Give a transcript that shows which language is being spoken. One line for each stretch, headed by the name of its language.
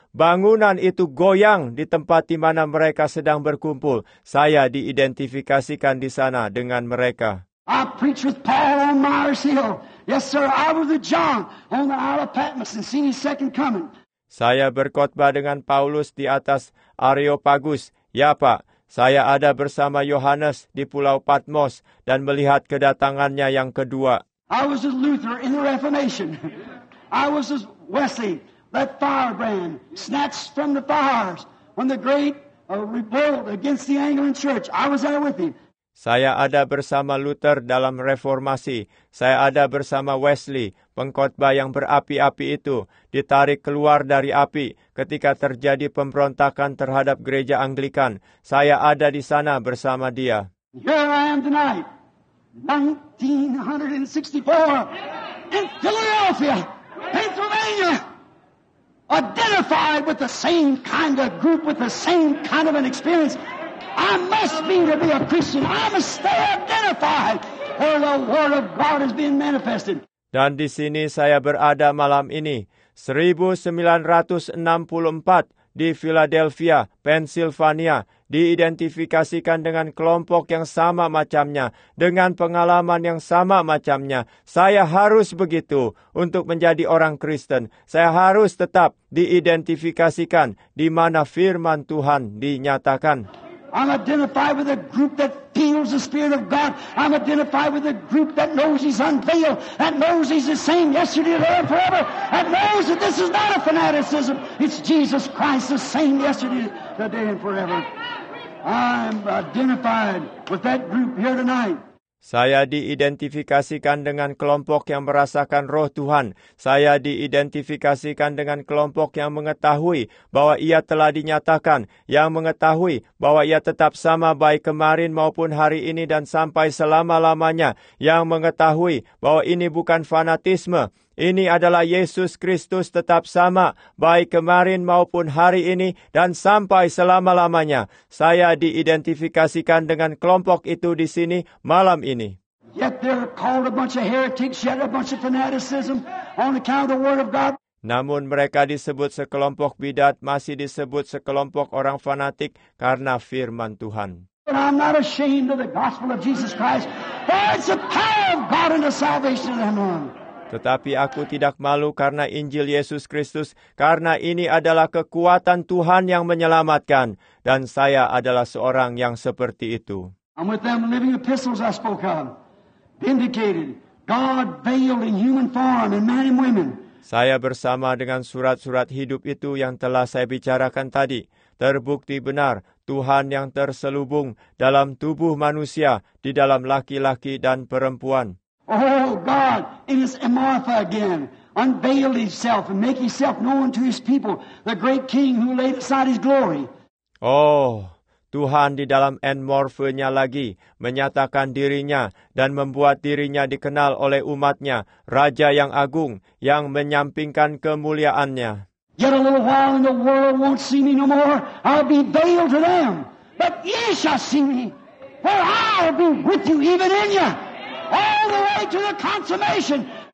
Indonesian: Bangunan itu goyang di tempat di mana mereka sedang berkumpul. Saya diidentifikasikan di sana dengan mereka.
English: I preached with Paul on Mars Hill. Yes, sir, I was with John on the Isle of Patmos and seen his second coming.
Indonesian: Saya berkhotbah dengan Paulus di atas Areopagus. Ya, Pak. Saya ada bersama Yohanes di Pulau Patmos dan melihat kedatangannya yang kedua.
English: I was with Luther in the Reformation. I was with Wesley, that firebrand, snatched from the fires when the great revolt against the Anglican Church. I was there with him.
Indonesian: Saya ada bersama Luther dalam reformasi. Saya ada bersama Wesley, pengkhotbah yang berapi-api itu, ditarik keluar dari api ketika terjadi pemberontakan terhadap gereja Anglikan. Saya ada di sana bersama dia.
English: Here I am tonight, 1964, in Philadelphia, Pennsylvania, identified with the same kind of group, with the same kind of an experience. I must be to be a Christian. I must stay identified where the word of God has been manifested.
Indonesian: Dan di sini saya berada malam ini, 1964 di Philadelphia, Pennsylvania, diidentifikasikan dengan kelompok yang sama macamnya, dengan pengalaman yang sama macamnya. Saya harus begitu untuk menjadi orang Kristen. Saya harus tetap diidentifikasikan di mana firman Tuhan dinyatakan.
English: I'm identified with a group that feels the Spirit of God. I'm identified with a group that knows He's unveiled, that knows He's the same yesterday, today, and forever, that knows that this is not a fanaticism. It's Jesus Christ, the same yesterday, today, and forever. I'm identified with that group here tonight.
Indonesian: Saya diidentifikasikan dengan kelompok yang merasakan roh Tuhan. Saya diidentifikasikan dengan kelompok yang mengetahui bahwa ia telah dinyatakan, yang mengetahui bahwa ia tetap sama baik kemarin maupun hari ini dan sampai selama-lamanya, yang mengetahui bahwa ini bukan fanatisme. Ini adalah Yesus Kristus tetap sama, baik kemarin maupun hari ini, dan sampai selama-lamanya. Saya diidentifikasikan dengan kelompok itu di sini malam ini.
English: Yet they're called a bunch of heretics, yet a bunch of fanaticism on account of the word of God.
Indonesian: Namun mereka disebut sekelompok bidat, masih disebut sekelompok orang fanatik karena firman Tuhan.
English: But I'm not ashamed of the gospel of Jesus Christ, for it's the power of God and the salvation of them all.
Indonesian: Tetapi aku tidak malu karena Injil Yesus Kristus, karena ini adalah kekuatan Tuhan yang menyelamatkan. Dan saya adalah seorang yang seperti itu.
English: I'm with them living epistles I spoke of. Vindicated. God veiled in human form in men and women.
Indonesian: Saya bersama dengan surat-surat hidup itu yang telah saya bicarakan tadi. Terbukti benar, Tuhan yang terselubung dalam tubuh manusia, di dalam laki-laki dan perempuan.
English: Oh God, in His amorpha again, unveiled Himself and make Himself known to His people, the great King who laid aside His glory.
Indonesian: Oh, Tuhan di dalam amorphanya lagi, menyatakan dirinya dan membuat dirinya dikenal oleh umatnya, Raja yang agung, yang menyampingkan kemuliaannya.
English: Yet a little while and the world won't see me no more, I'll be veiled to them, but ye shall see me, for I'll be with you even in you. All the way to the consummation.